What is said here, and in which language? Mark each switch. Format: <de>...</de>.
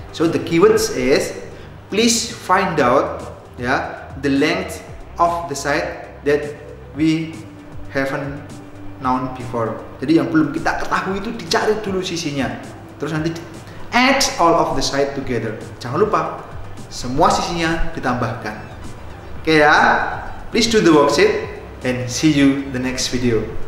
<en>So the keywords is please find out, ya, the length of the side that we haven't known before.</en> <id>Jadi yang belum kita ketahui itu dicari dulu sisinya. Terus nanti</id> <en>add all of the side together.</en> <id>Jangan lupa semua sisinya ditambahkan. Oke, ya.</id> <en>Please do the worksheet and see you the next video.</en>